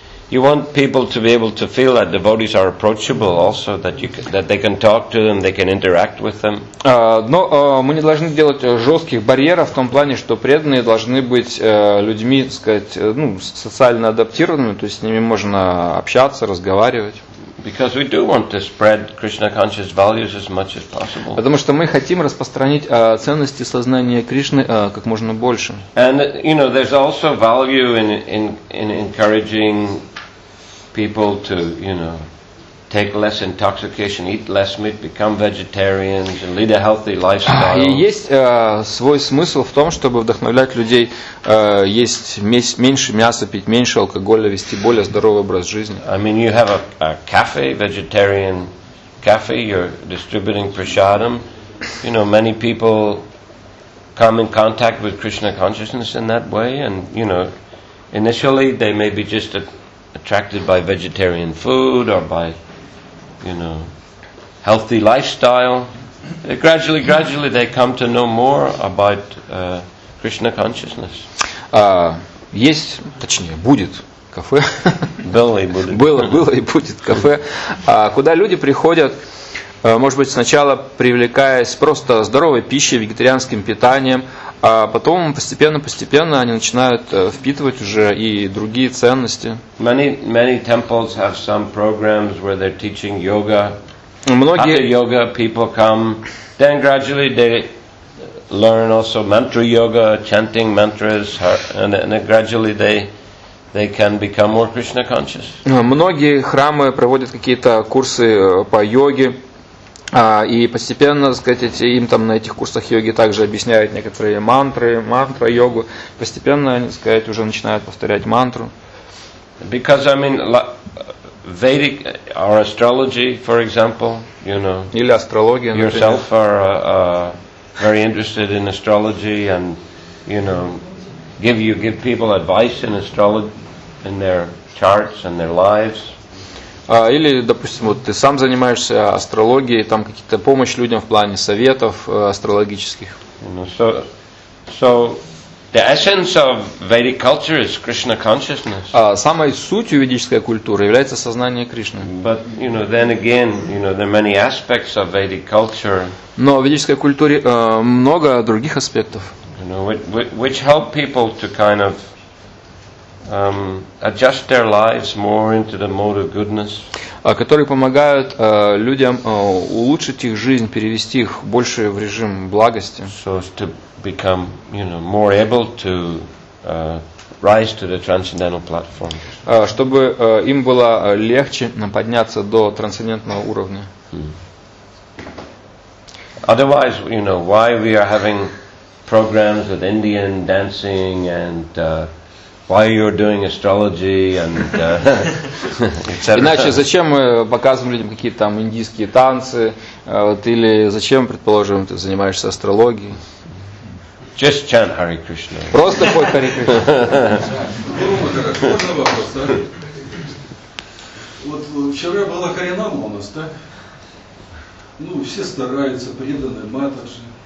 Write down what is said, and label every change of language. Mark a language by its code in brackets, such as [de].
[en] You want people to be able to feel that devotees are approachable, also that they can talk to them, they can interact with them. [ru] Мы не должны делать жестких барьеров в том плане, что преданные должны быть людьми, так сказать, ну, социально адаптированными, то есть с ними можно общаться, разговаривать. [en] Because we do want to spread Krishna conscious values as much as possible. [ru] Потому что мы хотим распространить ценности сознания Кришны как можно больше. [en] And you know, there's also value in encouraging people to, you know, take less intoxication, eat less meat, become vegetarians, and lead a healthy lifestyle. [ru] И есть свой смысл в том, чтобы вдохновлять людей есть меньше мяса, пить меньше алкоголя, вести более здоровый образ жизни. [en] I mean, you have a cafe, vegetarian cafe, you're distributing prasadam. You know, many people come in contact with Krishna consciousness in that way, and you know, initially they may be just attracted by vegetarian food or by, you know, healthy lifestyle. Gradually they come to know more about Krishna consciousness. [ru] Есть, точнее, будет кафе. Было и будет. Было и будет кафе, куда люди приходят, может быть, сначала привлекаясь просто здоровой пищей, вегетарианским питанием, а потом постепенно они начинают впитывать уже и другие ценности. [en] Many temples have some programs where they're teaching yoga. [ru] Многие йога [en] people come, then gradually they learn also mantra yoga, chanting mantras, and then gradually they can become more Krishna conscious. [ru] Многие храмы проводят какие-то курсы по йоге. И постепенно, так сказать, им там на этих курсах йоги также объясняют некоторые мантры, мантра-йогу. Постепенно, так сказать, уже начинают повторять мантру. [en] Because, I mean, Vedic or astrology, for example, you know. [ru] Или астрология, например. [en] Yourself are very interested in astrology and, you know, give people advice in astrology, in their charts and their lives. [ru] Или, допустим, вот ты сам занимаешься астрологией, там какие-то помощь людям в плане советов астрологических. [en] So the essence of Vedic culture is Krishna consciousness. [ru] Самой сутью ведической культуры является сознание Кришны. [en] But, you know, then again, you know, there are many aspects of Vedic culture. [ru] Но в ведической культуре много других аспектов. [en] You know, which help people to kind of adjust their lives more into the mode of goodness. [ru] Которые помогают людям улучшить их жизнь, перевести их больше в режим благости. [en] So as to become, you know, more able to rise to the transcendental platform. [ru] Чтобы им было легче подняться до трансцендентного уровня. [en] Otherwise, you know, why we are having programs with Indian dancing and why you're doing astrology and etc. [ru] Иначе зачем мы показываем людям какие-то там индийские танцы, вот, или зачем, предположим, ты занимаешься астрологией? [en] Just chant Hare Krishna. [ru] Просто пой Hare Krishna. Вот вчера была Харинама у нас, так? Ну, все стараются, преданные, матаджи.